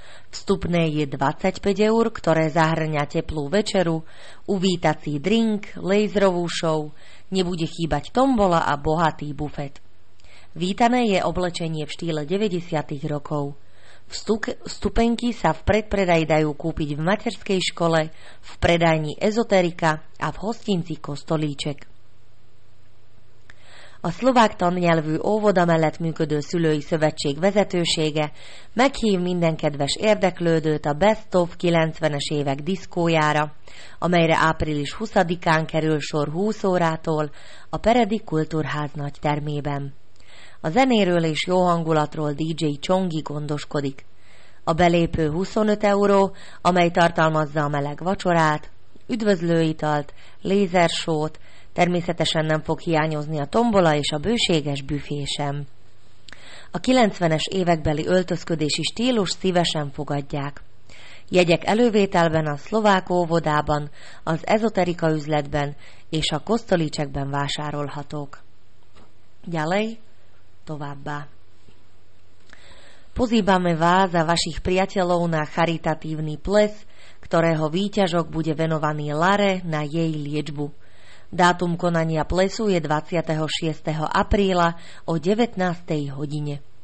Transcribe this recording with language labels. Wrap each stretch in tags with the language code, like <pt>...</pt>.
<sk>Vstupné je 25 eur, ktoré zahŕňa teplú večeru, uvítací drink, laserovú show, nebude chýbať tombola a bohatý bufet. Vítané je oblečenie v štýle 90. rokov. Vstupenky sa v predpredaji dajú kúpiť v materskej škole, v predajni Ezoterika a v hostinci Kostolíček.</sk> <hu>A szlovák tannyelvű óvoda mellett működő szülői szövetség vezetősége meghív minden kedves érdeklődőt a Best of 90-es évek diszkójára, amelyre április 20-án kerül sor 20 órától a Peredi Kultúrház nagy termében. A zenéről és jó hangulatról DJ Csongi gondoskodik. A belépő 25 euró, amely tartalmazza a meleg vacsorát, üdvözlőitalt, lézersót, természetesen nem fog hiányozni a tombola és a bőséges büfé sem. A 90-es évekbeli öltözködési stílus szívesen fogadják. Jegyek elővételben a szlovák óvodában, az ezoterika üzletben és a Kostolíčekben vásárolhatók.</hu> <sk>Ďalej,</sk> <hu>továbbá.</hu> <sk>Pozývame vás a vašich priateľov na charitatívny ples, ktorého výťažok bude venovaný Lare na jej liečbu. Dátum konania plesu je 26. apríla o 19. hodine.</sk>